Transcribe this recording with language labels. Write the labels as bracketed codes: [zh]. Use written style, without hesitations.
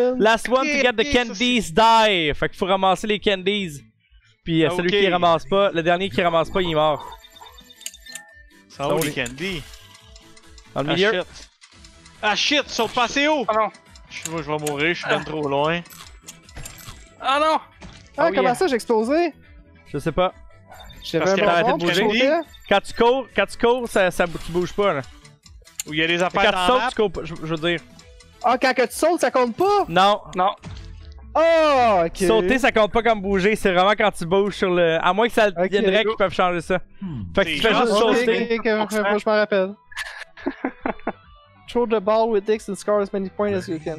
[en] Last one to get the candies, die. [fr] Fait qu'il faut ramasser les candies. Puis celui qui ramasse pas, le dernier qui ramasse pas, il est mort. Ça va où les candies? Dans le milieu. Ah shit, ils sont passés où? Ah non. Je vais mourir, je suis bien trop loin. Ah non. Ah, comment ça, j'ai explosé? Je sais pas. J'avais un bon quand tu cours, ça tu bouges pas là. Ou il y a des affaires quand dans tu sautes, tu cours pas, je veux dire. Ah, quand que tu sautes, ça compte pas? Non. Non. Oh, ok. Sauter, ça compte pas comme bouger, c'est vraiment quand tu bouges sur le... À moins que ça viendrait qu'ils peuvent changer ça. Fait que tu fais juste sauter. Ok, je m'en rappelle. [en] Throw the ball with dicks and score as many points as you can.